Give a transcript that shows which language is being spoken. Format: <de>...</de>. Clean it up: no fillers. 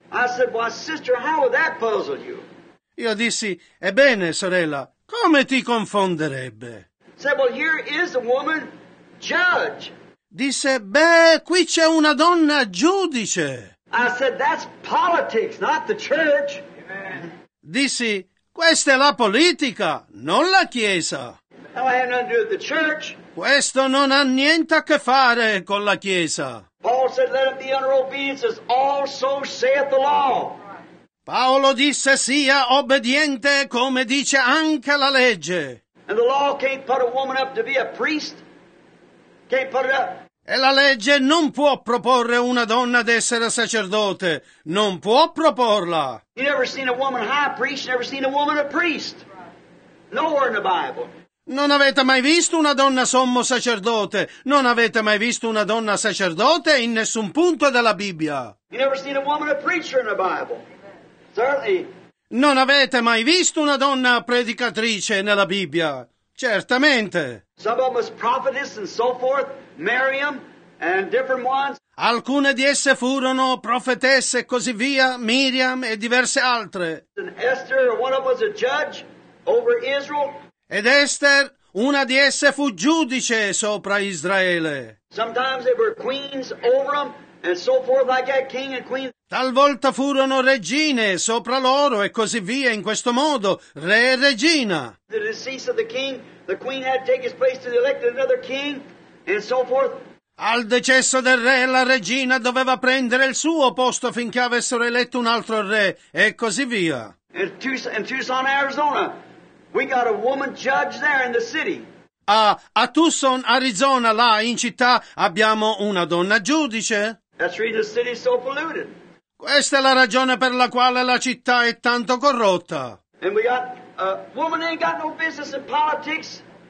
<en>I said, well, sister, how would that puzzle you?</en> <it>Io dissi, ebbene sorella, come ti confonderebbe?</it> <en>Said, well, here is a woman, judge.</en> <it>Disse, beh, qui c'è una donna giudice.</it> <en>I said, that's politics, not the church.</en> <it>Dissi, questa è la politica, non la chiesa.</it> <en>That has nothing to do with the church.</en> <it>Questo non ha niente a che fare con la chiesa.</it> <en>Paul said, let it be under obedience, as also saith the law.</en> <it>Paolo disse, sia obbediente, come dice anche la legge.</it> <en>And the law can't put a woman up to be a priest. Can't put it up.</en> <it>E la legge non può proporre una donna ad essere sacerdote, non può proporla.</it> <en>You never seen a woman high priest, never seen a woman a priest. Nowhere in the Bible.</en> <it>Non avete mai visto una donna sommo sacerdote, non avete mai visto una donna sacerdote in nessun punto della Bibbia.</it> <en>You never seen a woman a preacher in the Bible. Certainly.</en> <it>Non avete mai visto una donna predicatrice nella Bibbia. Certamente.</it> <en>Some of them was prophetess and so forth, Miriam, and different ones.</en> <it>Alcune di esse furono profetesse e così via, Miriam e diverse altre.</it> <en>And Esther, one of them was a judge over Israel.</en> <it>Ed Esther, una di esse fu giudice sopra Israele.</it> <en>Sometimes they were queens over them and so forth, like that king and queen.</en> <it>Talvolta furono regine sopra loro e così via, in questo modo, re e regina.</it> <en>The decease of the king, the queen had to take his place to the elected another king, and so forth.</en> <it>Al decesso del re, la regina doveva prendere il suo posto finché avessero eletto un altro re, e così via.</it> <en>In Tucson, Arizona, We got a woman judge there in the city.</en> <it>A Tucson, Arizona, là in città, abbiamo una donna giudice.</it> <en>That's why the city is so polluted.</en> <it>Questa è la ragione per la quale la città è tanto corrotta.</it> <en>And we got a woman ain't got no business in politics.</en>